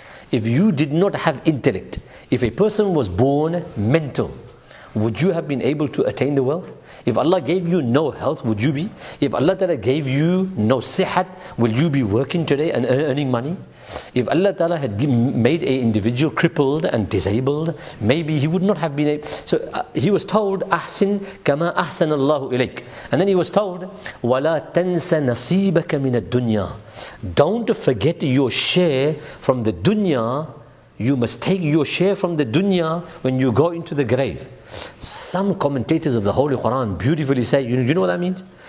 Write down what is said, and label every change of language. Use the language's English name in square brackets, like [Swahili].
[English] If you did not have intellect, if a person was born mental, would you have been able to attain the wealth? If Allah gave you no health, would you be? If Allah Ta'ala gave you no sihat, will you be working today and earning money? If Allah Ta'ala had made an individual crippled and disabled, maybe he would not have been able. So he was told, [Arabic] أحسن كما أحسن الله إليك. [English] And then he was told, [Arabic] وَلَا تَنْسَ نَصِيبَكَ مِنَ الدُّنْيَا [English] Don't forget your share from the dunya. You must take your share from the dunya when you go into the grave. Some commentators of the Holy Quran beautifully say, you know what that means?